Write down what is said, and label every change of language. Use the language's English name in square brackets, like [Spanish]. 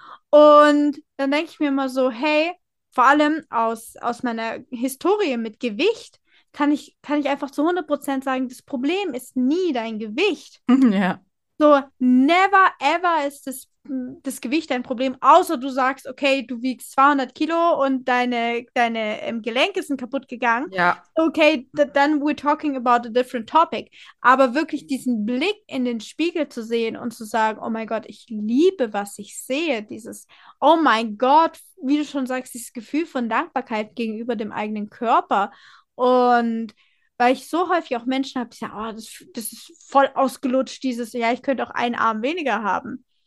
[German] Und dann denke ich mir immer so, hey, vor allem aus meiner Historie mit Gewicht kann ich einfach zu 100% sagen, das Problem ist nie dein Gewicht. Ja. So, [English] never ever [German] ist das Gewicht ein Problem, außer du sagst, okay, du wiegst 200 Kilo und deine Gelenke sind kaputt gegangen. Ja. [English] Okay, then we're talking about a different topic. [German] Aber wirklich diesen Blick in den Spiegel zu sehen und zu sagen, oh mein Gott, ich liebe, was ich sehe, dieses, oh mein Gott, wie du schon sagst, dieses Gefühl von Dankbarkeit gegenüber dem eigenen Körper. Und weil ich so häufig auch Menschen habe, die sagen, oh, das ist voll ausgelutscht, dieses, ja, ich könnte auch einen Arm weniger haben.